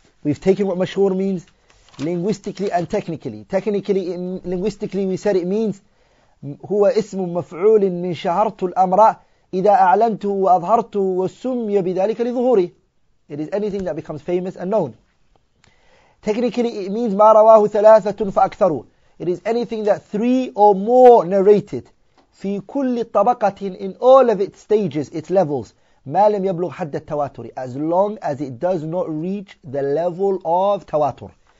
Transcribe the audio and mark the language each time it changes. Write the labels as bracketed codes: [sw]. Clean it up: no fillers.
[en] We've taken what Mashhur means linguistically and technically. Technically, linguistically we said it means [ar] هو اسم مفعول من شهرت الأمر إذا أعلنته وأظهرته وسمي بذلك لظهوري. [en] It is anything that becomes famous and known. Technically, it means [ar] ما رواه ثلاثة فأكثر. [en] It is anything that three or more narrated. [ar] في كل طبقة [en] in all of its stages, its levels. [ar] ما لم يبلغ حد التواتر. [en] As long as it does not reach the level of تواتر.